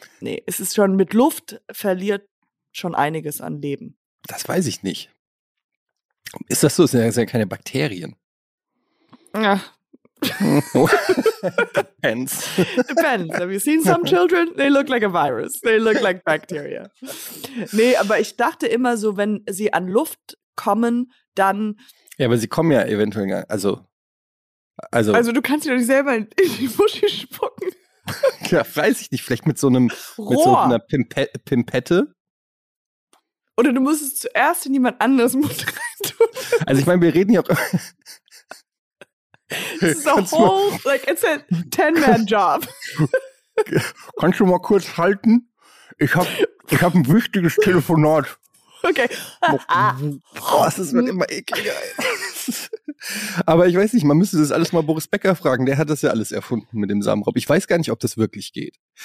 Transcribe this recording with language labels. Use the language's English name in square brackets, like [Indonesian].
[German] Nee, es ist schon mit Luft verliert schon einiges an Leben. Das weiß ich nicht. Ist das so? Es sind ja keine Bakterien. Ja. [English] Depends. Depends. Have you seen some children? They look like a virus. They look like bacteria. [German] Nee, aber ich dachte immer so, wenn sie an Luft kommen, dann... Ja, aber sie kommen ja eventuell... Also du kannst dich doch nicht selber in die Muschi spucken. Ja, weiß ich nicht. Vielleicht mit so einem Rohr. Mit so einer Pimpette. Oder du musst es zuerst in jemand anderes Mund reintun. Also ich meine, wir reden ja auch... [English] It's a whole, like, it's a 10-man-job. [German] Kannst du mal kurz halten? Ich hab ein wichtiges Telefonat. Okay. Boah, das wird immer ekliger. Aber ich weiß nicht, man müsste das alles mal Boris Becker fragen. Der hat das ja alles erfunden mit dem Samenraub. Ich weiß gar nicht, ob das wirklich geht.